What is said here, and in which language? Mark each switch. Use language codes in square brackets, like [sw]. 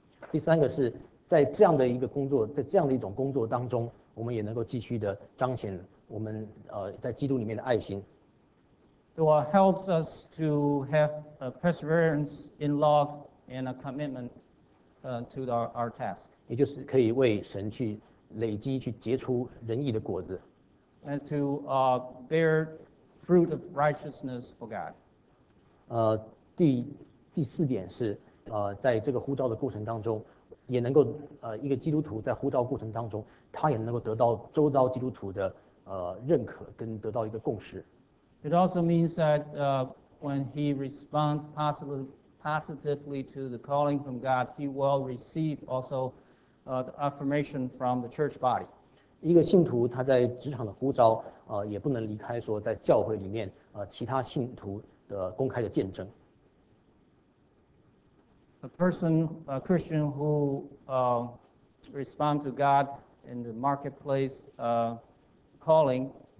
[zh] 第三个是在这样的一个工作，在这样的一种工作当中，我们也能够继续的彰显我们在基督里面的爱心。 [en] It will help us to have a perseverance in love and a commitment to our task. [zh] 也就是可以为神去累积，去结出仁义的果子。 [en] And to bear fruit of righteousness for God. [zh] 第四点是，在这个呼召的过程当中，也能够一个基督徒在呼召过程当中，他也能够得到周遭基督徒的认可，跟得到一个共识。 [en] It also means that when he responds positively to the calling from God, he will receive also the affirmation from the church body. [zh] 一个信徒他在职场的呼召，也不能离开说在教会里面，其他信徒的公开的见证。 [en] A Christian who responds to God in the marketplace calling.